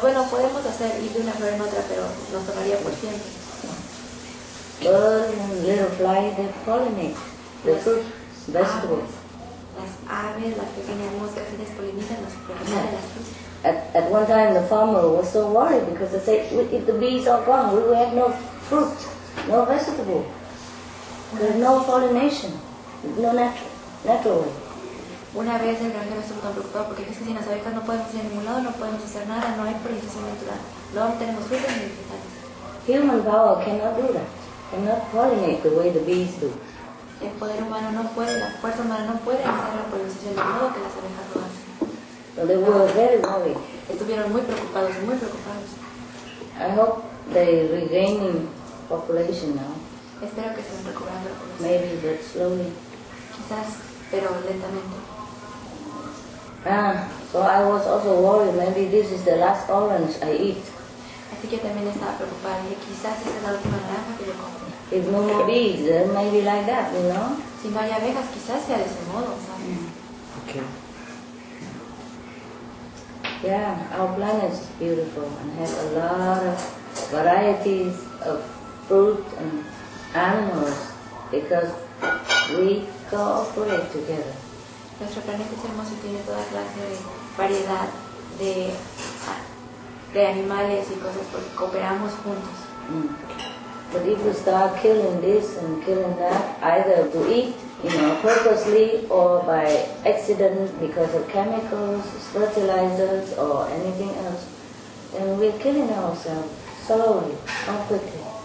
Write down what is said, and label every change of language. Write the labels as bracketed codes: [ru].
[es] Podemos hacer ir de una flor en otra, pero nos tomaría por siempre. [en] Birds and little flies that pollinate the fruit, vegetables. [es] Las aves, las pequeñas moscas, ellas polinizan las frutas. [en] At one time the farmer was so worried because they said, if the bees are gone, we will have no fruit, no vegetable. There's no pollination, no natural. [es] Una vez el granjero estuvo tan preocupado porque dice que sin las abejas no podemos ir a ningún lado, no podemos hacer nada, no hay polinización natural. No tenemos frutos ni vegetales. [en] Human power cannot do that. Cannot pollinate the way the bees do. [es] El poder humano no puede, la fuerza humana no puede hacer la polinización del modo que las abejas lo hacen. [en] So they were very worried. [es] Estuvieron muy preocupados, muy preocupados. [en] I hope they're regaining population now. [es] Espero que estén recuperando la población. [en] Maybe, but slowly. [es] Quizás, pero lentamente. [en] Ah, so I was also worried, maybe this is the last orange I eat. [es] Así que también estaba preocupada, dije, quizás esta es la última naranja que yo compro. [en] If no more bees, then maybe like that, you know? [es] Si no hay abejas, quizás sea de ese modo, ¿sabes? [en] Okay. Yeah, our planet is beautiful and has a lot of varieties of fruit and animals because we cooperate together. [es] Nuestro planeta es hermoso y tiene toda clase de variedad de animales y cosas porque cooperamos juntos. Mm. [en] But if you start killing this and killing that, either to eat, you know, purposely or by accident because of chemicals, fertilizers or anything else, then we're killing ourselves slowly, not quickly.